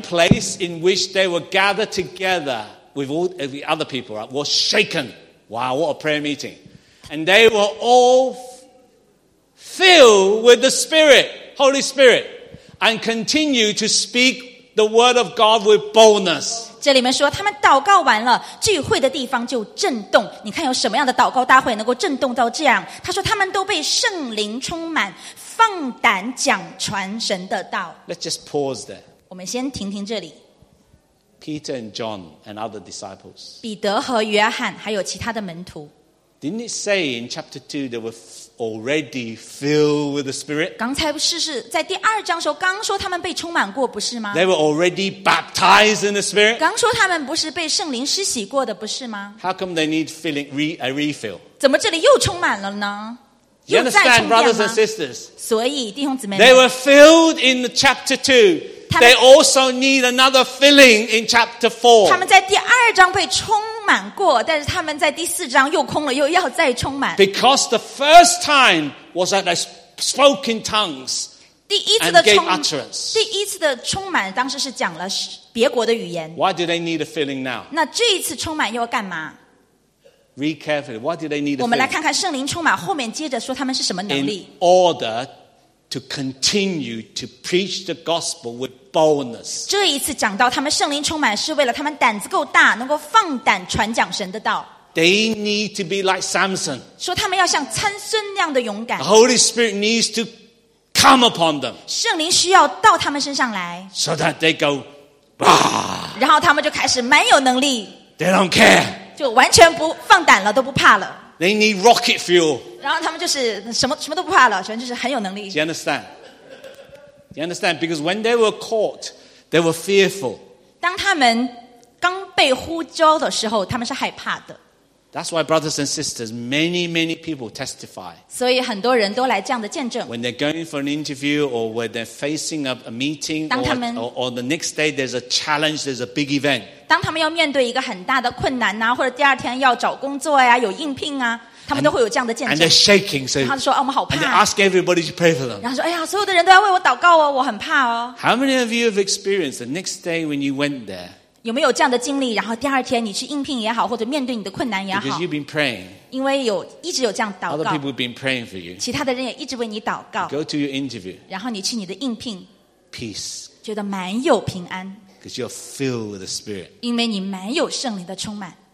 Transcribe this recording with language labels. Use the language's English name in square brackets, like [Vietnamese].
[English] the place in which they were gathered together. With all the other people, right, was shaken. Wow, what a prayer meeting. And they were all filled with the Spirit, Holy Spirit, and continued to speak the word of God with boldness. [Chinese] 这里面说他们祷告完了，聚会的地方就震动。你看有什么样的祷告大会能够震动到这样？他说他们都被圣灵充满，放胆讲传神的道。 [English] Let's just pause there. [Chinese] 我们先停停这里。 [English] Peter and John and other disciples. [Chinese] 彼得和约翰还有其他的门徒。 [English] Didn't it say in chapter 2 they were already filled with the Spirit? [Chinese] 刚才是在第二章时候刚说他们被充满过不是吗? [English] They were already baptized in the Spirit? [Chinese] 刚说他们不是被圣灵施洗过的不是吗? [English] How come they need filling, a refill? [Chinese] 怎么这里又充满了呢? [English] You understand, brothers and sisters? [Chinese] 所以弟兄姊妹们, [English] They were filled in chapter 2. They also need another filling in chapter 4. [Chinese] 他们在第二章被充满过，但是他们在第四章又空了，又要再充满。 [English] Because the first time was that they spoke in tongues. [Chinese] 第一次的充 [English] and gave utterance. [Chinese] 第一次的充满当时是讲了别国的语言。 [English] Why do they need a filling now? [Chinese] 那这一次充满又要干嘛？ [English] Read carefully. Why do they need a filling? [Chinese] 我们来看看圣灵充满后面接着说他们是什么能力。 [English] In order to continue to preach the gospel with boldness. [Chinese] 这一次讲到他们圣灵充满是为了他们胆子够大，能够放胆传讲神的道。 [English] They need to be like Samson. [Chinese] 说他们要像参孙那样的勇敢。 [English] The Holy Spirit needs to come upon them. [Chinese] 圣灵需要到他们身上来。 [English] So that they go, bah! [Chinese] 然后他们就开始蛮有能力。 [English] They don't care. [Chinese] 就完全不放胆了，都不怕了。 [English] They need rocket fuel. [Chinese] 然后他们就是什么都不怕了，全就是很有能力。 [English] Do you understand? Do you understand? Because when they were caught, they were fearful. [Chinese] 当他们刚被呼召的时候，他们是害怕的。 [English] That's why, brothers and sisters, many, many people testify. [Chinese] 所以很多人都来这样的见证。 [English] When they're going for an interview, or when they're facing up a meeting, or the next day there's a challenge, there's a big event. [Chinese] 当他们要面对一个很大的困难啊，或者第二天要找工作呀，有应聘啊，他们都会有这样的见证。 [English] And they're shaking, so [Chinese] 他说啊，我们好怕。 [English] And they ask everybody to pray for them. [Chinese] 然后说，哎呀，所有的人都要为我祷告哦，我很怕哦。 [English] How many of you have experienced the next day when you went there? [Chinese] 有没有这样的经历？然后第二天你去应聘也好，或者面对你的困难也好， [English] Because you've been praying, [Chinese] 因为有一直有这样祷告。 [English] Other people have been praying for you. [Chinese] 其他的人也一直为你祷告。 [English] Go to your interview. [Chinese] 然后你去你的应聘。 [English] Peace. [Chinese] 觉得蛮有平安。 [English] Because you're filled with the Spirit. [Chinese] 因为你蛮有圣灵的充满。